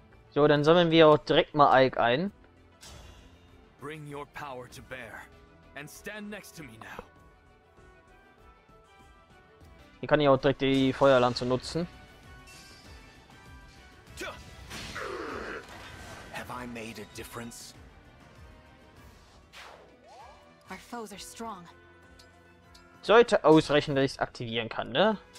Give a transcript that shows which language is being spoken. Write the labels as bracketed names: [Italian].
[German] So, dann sammeln wir auch direkt mal Ike ein. [English] Bring your power to bear and stand next to me now. [German] Hier kann ich auch direkt die Feuerlanze nutzen. [English] Have I made a difference? Our foes are strong. [German] Sollte ausreichen, dass ich es aktivieren kann, ne?